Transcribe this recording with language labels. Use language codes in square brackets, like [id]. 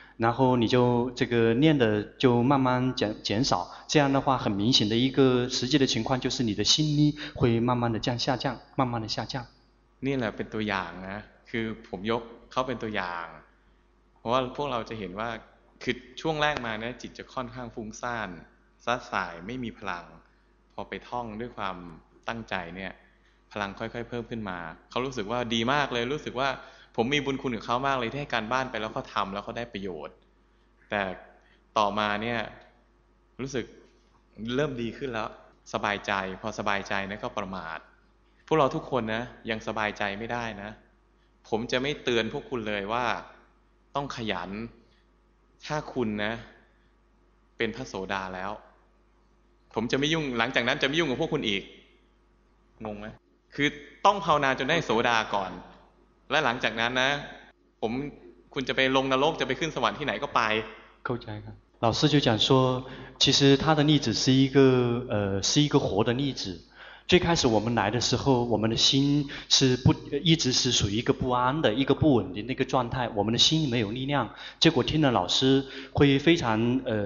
[zh] 然后你就这个念的就慢慢减少这样的话很明显的一个实际的情况就是你的心力会慢慢的降下降慢慢的下降 [th] นี่แหละเป็นตัวอย่างนะคือผมยกเขาเป็นตัวอย่างเพราะว่าพวกเราจะเห็นว่าคือช่วงแรกมาเนี่ยจิตจะค่อนข้างฟุ้งซ่านซัดสายไม่มีพลังพอไปท่องด้วยความตั้งใจเนี่ยพลังค่อยๆเพิ่มขึ้นมาเขารู้สึกว่าดีมากเลยรู้สึกว่าผมมีบุญคุณกับเขามากเลยที่ให้การบ้านไปแล้วเขาทำแล้วเขาได้ประโยชน์แต่ต่อมาเนี่ย รู้สึกเริ่มดีขึ้นแล้วสบายใจพอสบายใจนะก็ประมาทพวกเราทุกคนนะยังสบายใจไม่ได้นะผมจะไม่เตือนพวกคุณเลยว่าต้องขยันถ้าคุณนะ เป็นพระโสดาแล้วผมจะไม่ยุ่งหลังจากนั้นจะไม่ยุ่งกับพวกคุณอีกงงไหมคือต้องภาวนาจนได้โสดาก่อนและหลังจากนั้นนะผมคุณจะไปลงนรกจะไปขึ้นสวรรค์ที่ไหนก็ไป เข้าใจครับ [zh] 老师就讲说其实他的例子是一个是一个活的例子最开始我们来的时候我们的心是不一直是属于一个不安的一个不稳定的一个状态我们的心没有力量结果听了老师会非常